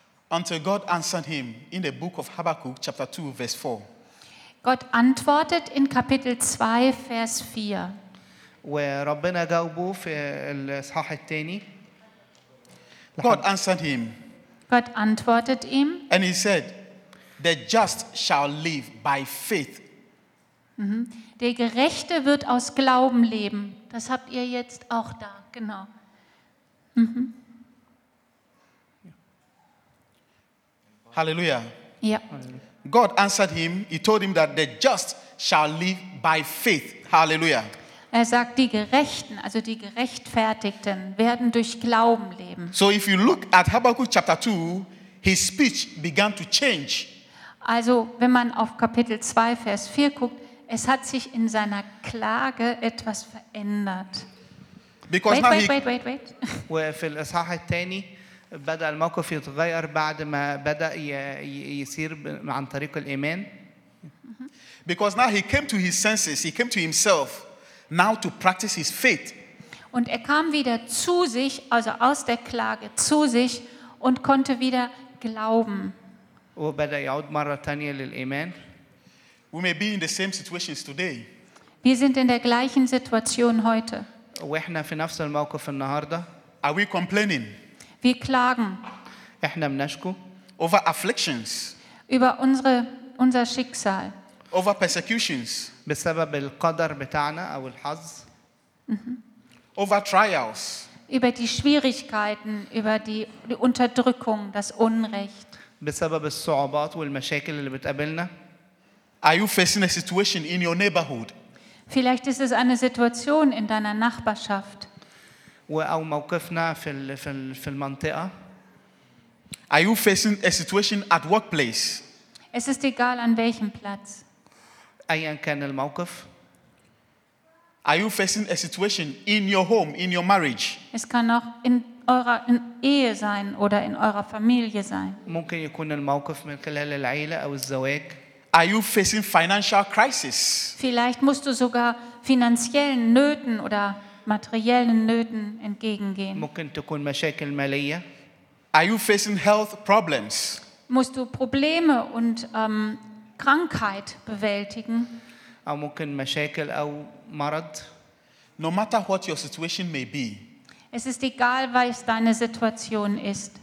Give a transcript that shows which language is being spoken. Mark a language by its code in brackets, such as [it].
[en] Until God answered him in the book of Habakkuk, chapter 2, verse 4. [de] Gott antwortet in Kapitel 2, Vers 4. [ar] وربنا جاوبه في الإصحاح الثاني. [en] God answered him. [de] God antwortet ihm. [en] And he said, "The just shall live by faith." Mm-hmm. [de] Der Gerechte wird aus Glauben leben. Das habt ihr jetzt auch da, genau. Mm-hmm. [en] Hallelujah. [de] Ja. [en] God answered him. He told him that the just shall live by faith. Hallelujah. [de] Er sagt, die Gerechten, also die Gerechtfertigten, werden durch Glauben leben. [en] So if you look at Habakkuk chapter 2, his speech began to change. [de] Also, wenn man auf Kapitel 2 Vers 4 guckt, es hat sich in seiner Klage etwas verändert. [en] Because wait, wait. [ar] وفي الإصحاح الثاني بدأ الموقف يتغير بعد ما بدأ يصير عن طريق الإيمان. [en] Because now he came to his senses, he came to himself. Now to practice his faith. [de] Und er kam wieder zu sich, also aus der Klage zu sich und konnte wieder glauben. [ar] وبدأ يعود مرة تانية للإيمان. [en] We may be in the same situations today. [de] Wir sind in der gleichen Situation heute. [ar] وإحنا في نفس الموقف النهاردة. [en] Are we complaining? [de] Wir klagen. [ar] إحنا بنشكو. [en] Over afflictions. [de] Über unser Schicksal. [en] Over persecutions. [ar] بسبب القدر بتاعنا أو الحظ. [en] Over trials. [de] Über die Schwierigkeiten, über die Unterdrückung, das Unrecht. [ar] بسبب الصعوبات والمشاكل اللي بتقابلنا. [en] Are you facing a situation in your neighborhood? [de] Vielleicht ist es eine Situation in deiner Nachbarschaft. [ar] أو موقفنا في المنطقة. [en] Are you facing a situation at workplace? [de] Es ist egal an welchem Platz. [ar] أيًا كان الموقف. [en] Are you facing a situation in your home, in your marriage? [de] Es kann auch in eurer in Ehe sein oder in eurer Familie sein. [ar] ممكن يكون الموقف من خلال العيلة أو الزواج. [en] Are you facing financial crisis? [de] Vielleicht musst du sogar finanziellen Nöten oder materiellen Nöten entgegengehen. [ar] ممكن تكون مشاكل مالية. [en] Are you facing health problems? [de] Musst du Probleme und Krankheit bewältigen. [ar] أو ممكن مشاكل أو مرض. [en] No matter what your situation may be. [de] Es ist egal, was deine Situation ist.